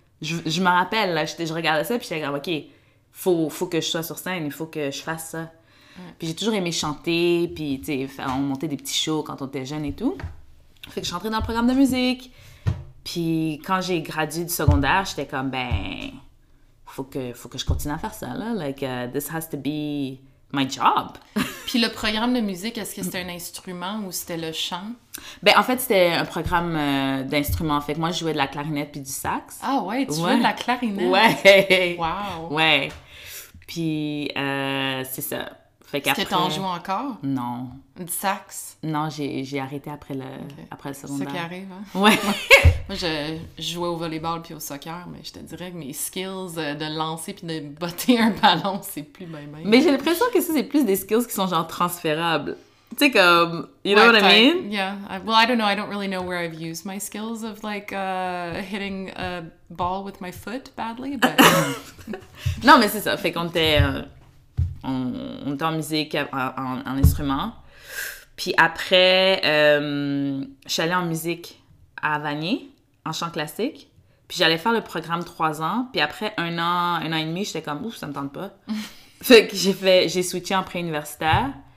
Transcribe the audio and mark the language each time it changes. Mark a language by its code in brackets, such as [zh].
[fr] Je me rappelle, là, je regardais ça, puis j'étais comme, OK, faut que je sois sur scène, il faut que je fasse ça. Puis j'ai toujours aimé chanter, puis on montait des petits shows quand on était jeune et tout. Fait que je rentrais dans le programme de musique. Puis, quand j'ai gradué du secondaire, j'étais comme, ben, faut que je continue à faire ça, là. [en] Like, this has to be my job. [fr] Puis, le programme de musique, est-ce que c'était un instrument ou c'était le chant? Ben, en fait, c'était un programme d'instruments. Fait que moi, je jouais de la clarinette puis du sax. Ah ouais, jouais de la clarinette? Ouais. Wow. Ouais. Puis, c'est ça. Fait qu'après... Est-ce que t'en joues encore? Non. Du sax? Non, j'ai arrêté après le, okay. Après le secondaire. C'est ça qui arrive, hein? Ouais. Moi, je jouais au volleyball puis au soccer, mais je te dirais que mes skills de lancer puis de botter un ballon, c'est plus ben ben. Mais j'ai l'impression que ça, c'est plus des skills qui sont genre transférables. Tu sais, comme, [en] you know what I mean? Yeah. Well, I don't know. I don't really know where I've used my skills of, like, hitting a ball with my foot badly, but... [fr] Non, mais c'est ça. Fait qu'on était en musique, en instrument. Puis après, je suis allée en musique... à Vanier, en chant classique. Puis j'allais faire le programme 3 ans. Puis après un an et demi, j'étais comme, ouf, ça me tente pas. Fait que j'ai switché en pré-universitaire.